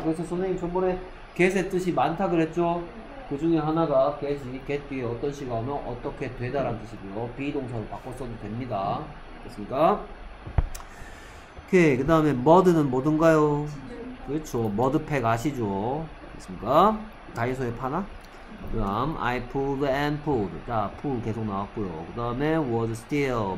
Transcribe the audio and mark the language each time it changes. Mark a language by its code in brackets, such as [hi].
[ko] 그래서 선생님 전번에 get의 뜻이 많다 그랬죠? 그 중에 하나가 get이 get 뒤에 어떤 시가 오면 어떻게 되다 라는 뜻이고요. be 동사로 바꿨어도 됩니다. 그렇습니까? 오케이. 그 다음에 mud는 뭐든가요? 그렇죠. mud팩 아시죠? 그렇습니까? 다이소에 파나? 그 다음 [en] I pulled and pulled. [ko] 자, pull 계속 나왔고요. 그 다음에 [en] was still.